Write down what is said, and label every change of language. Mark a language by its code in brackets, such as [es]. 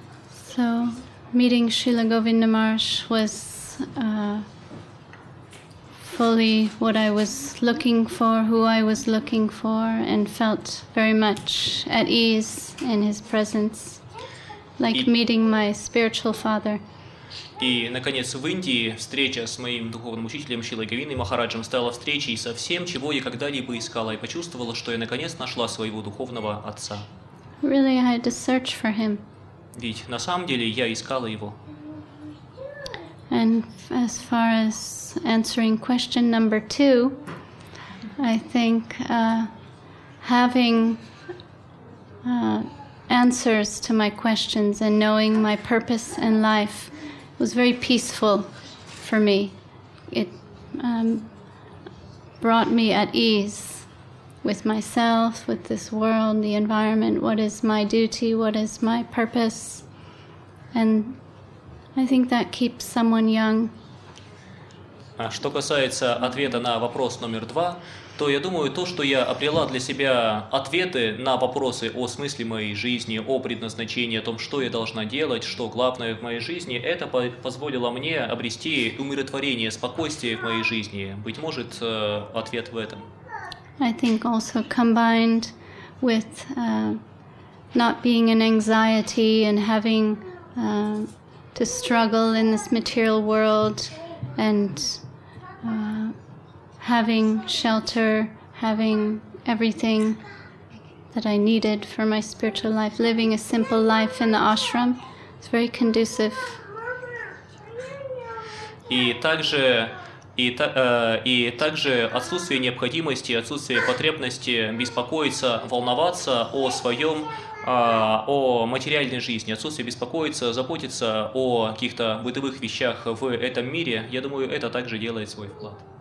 [en] So, meeting Srila Govinda Maharaj was fully what I was looking for, who I was looking for, and felt very much at ease in his presence. Like meeting my spiritual father. [ru] И, наконец, в Индии встреча с моим духовным учителем Шрилой Говиндой Махараджем стала встречей со всем, чего я когда-либо искала, и почувствовала, что я, наконец, нашла своего духовного отца. [en] Really, I had to search for him. [ru] Ведь на самом деле я искала его. [en] And as far as answering question number two, I think having answers to my questions and knowing my purpose in life was very peaceful for me. It brought me at ease with myself, with this world, the environment, what is my duty, what is my purpose. And I think that keeps someone young. [ru] Что касается ответа на вопрос номер два, то я думаю, то, что я обрела для себя ответы на вопросы о смысле моей жизни, о предназначении, о том, что я должна делать, что главное в моей жизни, это позволило мне обрести умиротворение, спокойствие в моей жизни. Быть может, ответ в этом. [en] I think also combined with not being in anxiety and having to struggle in this material world and having shelter, having everything that I needed for my spiritual life, living a simple life in the ashram. It's very conducive. [ru] И также отсутствие необходимости, отсутствие потребности беспокоиться, волноваться о своем, о материальной жизни, отсутствие беспокоиться, заботиться о каких-то бытовых вещах в этом мире, я думаю, это также делает свой вклад.